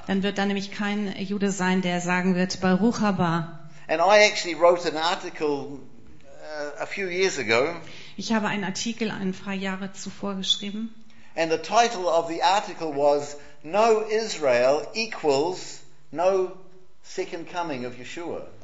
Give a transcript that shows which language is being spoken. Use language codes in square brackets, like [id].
[de] Dann wird da nämlich kein Jude sein, der sagen wird [he] Baruch Haba. [en] And I actually wrote an article a few years ago. [de] Ich habe einen Artikel ein paar Jahre zuvor geschrieben. [en] And the title of the article was No Israel equals No Second Coming of Yeshua.